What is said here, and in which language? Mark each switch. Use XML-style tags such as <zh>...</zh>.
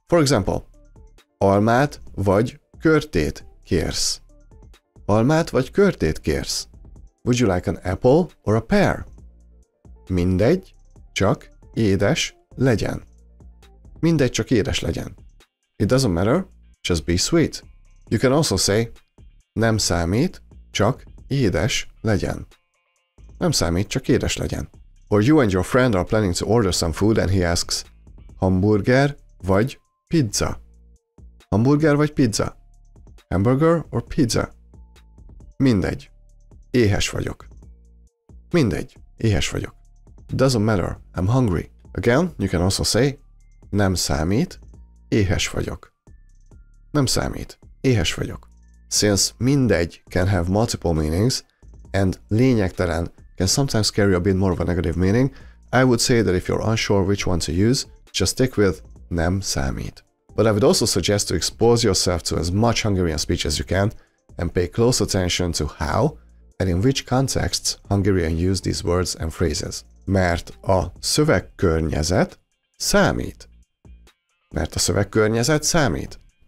<en>For example,</en> <hu>almát vagy körtét kérsz? Almát vagy körtét kérsz?</hu> <en>Would you like an apple or a pear?</en> <hu>Mindegy, csak édes legyen. Mindegy, csak édes legyen.</hu> <en>It doesn't matter, just be sweet. You can also say,</en> <hu>nem számít, csak édes legyen. Nem számít, csak édes legyen.</hu> <en>Or you and your friend are planning to order some food and he asks,</en> <hu>hamburger vagy pizza? Hamburger vagy pizza?</hu> <en>Hamburger or pizza?</en> <hu>Mindegy. Éhes vagyok. Mindegy. Éhes vagyok.</hu> <en>It doesn't matter. I'm hungry. Again, you can also say,</en> <hu>nem számít, éhes vagyok. Nem számít. Éhes vagyok.</hu> <en>Since mindegy can have multiple meanings, and lényegtelen can sometimes carry a bit more of a negative meaning, I would say that if you're unsure which one to use, just stick with</en> <hu>nem számít.</hu> <en>But I would also suggest to expose yourself to as much Hungarian speech as you can and pay close attention to how and in which contexts Hungarian use these words and phrases.</en> <hu>Mert a szövegkörnyezet számít. Mert a szövegkörnyezet számít.</hu>